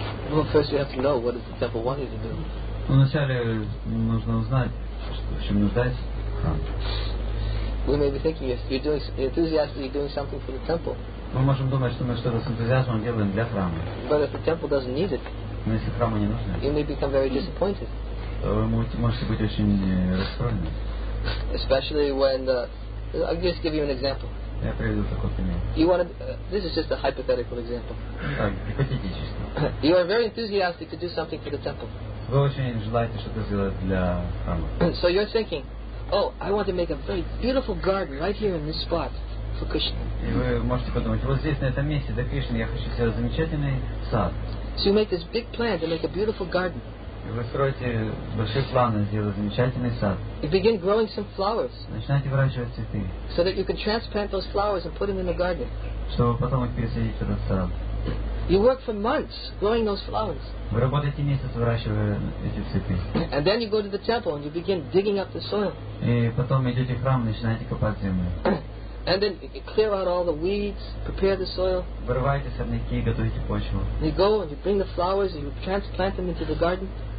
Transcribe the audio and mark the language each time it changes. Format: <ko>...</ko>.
<en>Well, first you have to know what does the temple want you to do.</en> <ru>Ну, вначале нужно узнать, в чем нуждается.</ru> <en>We may be thinking you're doing enthusiastically doing something for the temple.</en> <ru>Мы можем думать, что мы что-то с энтузиазмом делаем для храма.</ru> <en>But if the temple doesn't need it,</en> <ru>но если храму не нужно,</ru> <en>you may become very disappointed.</en> <ru>Вы можете быть очень расстроены.</ru> <en>Especially when the, I'll just give you an example.</en> <ru>Я приведу такой пример.</ru> <en>You want to, this is just a hypothetical example.</en> <ru>Гипотетически.</ru> <en>You are very enthusiastic to do something for the temple.</en> <ru>Вы очень желаете что-то сделать для храма.</ru> <en>So you're thinking, oh, I want to make a very beautiful garden right here in this spot for Krishna.</en> <ru>И вы можете подумать, вот здесь, на этом месте, для Кришны, я хочу сделать замечательный сад.</ru> <en>So you make this big plan to make a beautiful garden.</en> <ru>И вы строите большие планы, сделать замечательный сад.</ru> <en>You begin growing some flowers.</en> <ru>Начинаете выращивать цветы.</ru> <en>So that you can transplant those flowers and put them in the garden.</en> <ru>Чтобы потом их пересадить в этот сад.</ru> <en>You work for months growing those flowers.</en> <ru>Вы работаете месяц, выращивая эти цветы.</ru> <en>And then you go to the temple and you begin digging up the soil.</en> <ru>И потом идете в храм, начинаете копать землю.</ru> <en>And then you clear out all the weeds, prepare the soil.</en> <ru>Вырываете сорняки, готовите почву.</ru> <en>You go and you bring the flowers and you transplant them into the garden.</en>